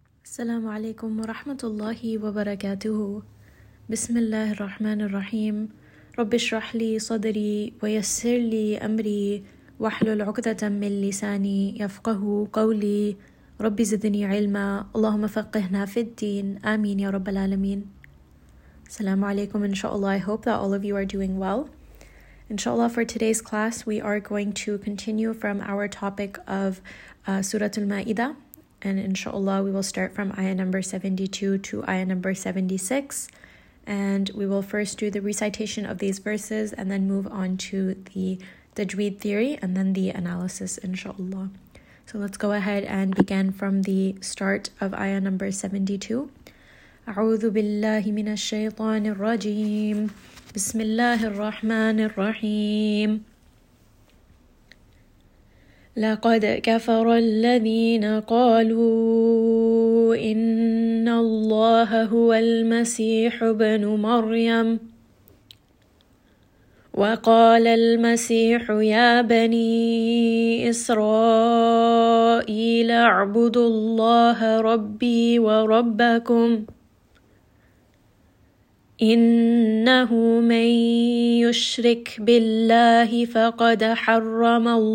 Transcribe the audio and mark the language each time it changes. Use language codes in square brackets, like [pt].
[ar] السلام عليكم ورحمة الله وبركاته. بسم الله الرحمن الرحيم. رب اشرح لي صدري ويسر لي أمري واحلل عقدة من لساني يفقه قولي. رب زدني علما، اللهم فقهنا في الدين، آمين يا رب العالمين. السلام عليكم. [en] إن شاء الله. I hope that all of you are doing well. Inshallah, for today's class, we are going to continue from our topic of Surah Al-Ma'idah. And inshallah, we will start from ayah number 72 to ayah number 76. And we will first do the recitation of these verses and then move on to the tajweed theory and then the analysis, inshallah. So let's go ahead and begin from the start of ayah number 72. [ar] أعوذ بالله من الشيطان الرجيم. بسم الله الرحمن الرحيم. لقد كفر الذين قالوا إن الله هو المسيح ابن مريم وقال المسيح يا بني إسرائيل اعبدوا الله ربي وربكم إنه من يشرك بالله فقد حرم